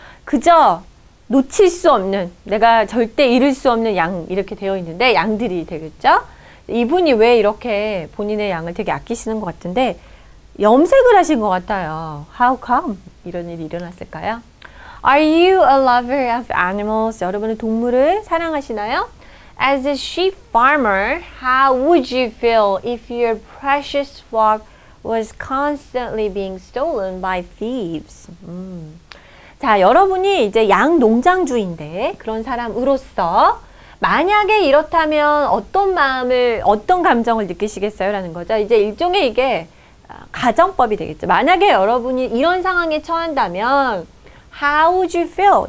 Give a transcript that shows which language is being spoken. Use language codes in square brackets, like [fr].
[ko] 그저 놓칠 수 없는, 내가 절대 잃을 수 없는 양, 이렇게 되어 있는데, 양들이 되겠죠? 이분이 왜 이렇게 본인의 양을 되게 아끼시는 것 같은데, 염색을 하신 것 같아요. [en] How come? [ko] 이런 일이 일어났을까요? [en] Are you a lover of animals? [ko] 여러분은 동물을 사랑하시나요? [en] As a sheep farmer, how would you feel if your precious flock was constantly being stolen by thieves? [ko] 자, 여러분이 이제 양 농장주인데 그런 사람으로서 만약에 이렇다면 어떤 마음을, 어떤 감정을 느끼시겠어요? 라는 거죠. 이제 일종의 이게 가정법이 되겠죠. 만약에 여러분이 이런 상황에 처한다면 [en] How would you feel?